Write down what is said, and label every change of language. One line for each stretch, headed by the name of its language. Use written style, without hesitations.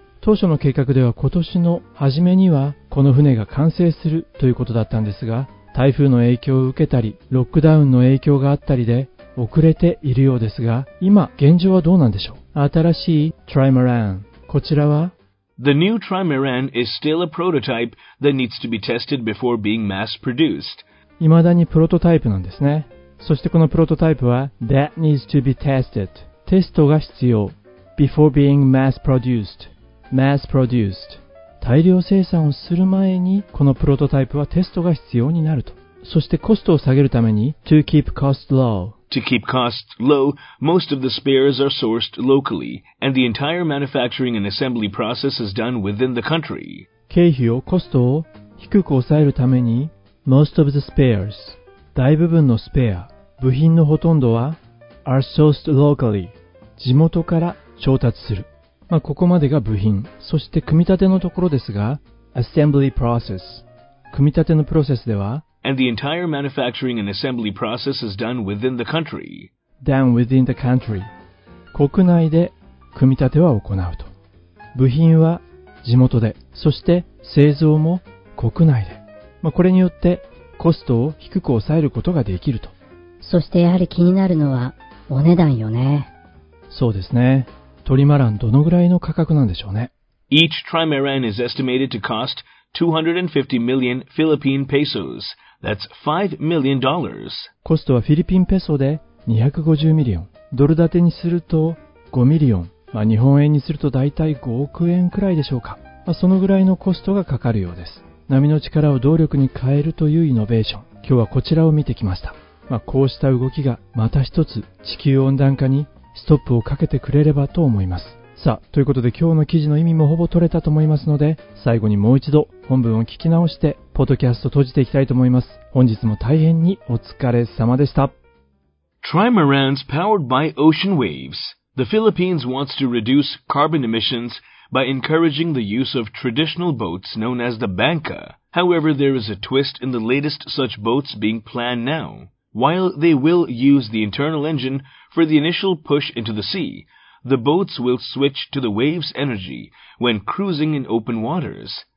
Japanese: 当初の計画では今年の初めにはこの船が完成するということだったんですが、台風の影響を受けたり、ロックダウンの影響があったりで遅れているようですが、今現状はどうなんでしょう。新しいトリマラン、こちらは
English: The new trimaran is still a prototype that needs to be tested before being mass-produced.
Japanese: 未だにプロトタイプなんですね。そしてこのプロトタイプは
English: that needs to be tested.
Japanese: テストが必要。
English: before being mass-produced. mass-produced.
Japanese: 大量生産をする前にこのプロトタイプはテストが必要になると。そしてコストを下げるために
English: to keep cost low. To keep costs low, most of the spares are sourced locally, and the entire manufacturing and assembly process is done within the country.
Japanese: 経費を、コストを低く抑えるために、
English: most of the spares,
Japanese: 大部分のスペア、部品のほとんどは、
English: are sourced locally.
Japanese: 地元から調達する。まあ、ここまでが部品。そして組み立てのところですが、assembly process。組み立てのプロセスでは、
English: and the entire manufacturing and assembly process is done within the country. Done within the country.
Japanese: 国内で組み立ては行うと。部品は地元で。そして製造も国内で。まあ、これによってコストを低く抑えることができると。そしてやはり気になるのはお値段よね。そうですね。トリマランどのぐらいの価格なんでしょうね。
English: Each trimaran is estimated to cost 250 million Philippine pesos. That's $5 million.
Japanese: コストはフィリピンペソで250ミリオン。ドル建てにすると5ミリオン。まあ、日本円にするとだいたい5億円くらいでしょうか。まあ、そのぐらいのコストがかかるようです。波の力を動力に変えるというイノベーション。今日はこちらを見てきました。まあ、こうした動きがまた一つ地球温暖化にストップをかけてくれればと思います。さあ、ということで今日の記事の意味もほぼ取れたと思いますので、最後にもう一度本文を聞き直してポッドキャスト閉じていきたいと思います。本日も大変にお疲れ様でした。
English: Trimarans powered by ocean waves. The Philippines wants to reduce carbon emissions by encouraging the use of traditional boats known as the Bangka. However, there is a twist in the latest such boats being planned now. While they will use the internal engine for the initial push into the sea, the boats will switch to the wave's energy when cruising in open waters.